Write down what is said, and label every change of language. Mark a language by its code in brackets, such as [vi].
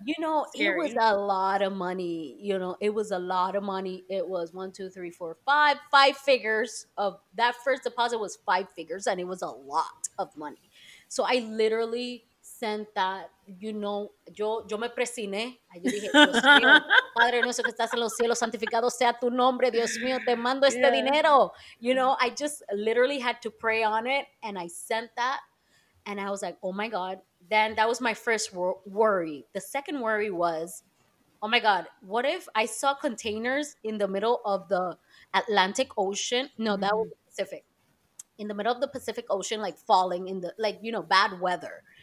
[en] You know, it was a lot of money. You know, it was a lot of money. It was 5 figures of that first deposit was 5 figures, and it was a lot of money. So I literally sent that, you know, [es] yo me presiné. Yo dije, Dios mío, Padre nuestro que estás en los cielos, santificado sea tu nombre, Dios mío, te mando este dinero. [en] You know, I just literally had to pray on it, and I sent that, and I was like, oh my God. Then that was my first worry. The second worry was, oh my God, what if I saw containers in the middle of the Atlantic Ocean? No, that was Pacific. In the middle of the Pacific Ocean, like falling in the, like, you know, bad weather.